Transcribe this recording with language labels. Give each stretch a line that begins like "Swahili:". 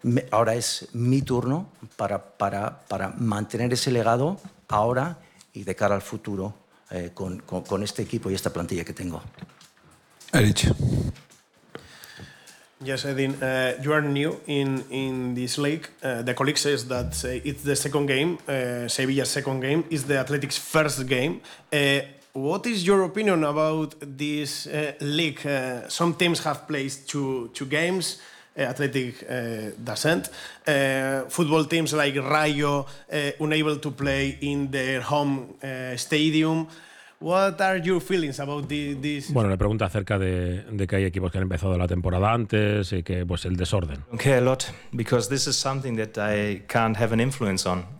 Spanish: Ahora es mi turno para mantener ese legado ahora y de cara al futuro con este equipo y esta plantilla que tengo. Erich.
English: Yes, Edin, you are new in this league. The colleague says that it's the second game, Sevilla's second game, is the Athletic's first game. What is your opinion about this league? Some teams have played two games, Athletic doesn't. Football teams like Rayo unable to play in their home stadium. What are your feelings about this?
Spanish: Bueno, le pregunta acerca de que hay equipos que han empezado la temporada antes y que pues el desorden.
English: Okay, a lot, because this is something that I can't have an influence on.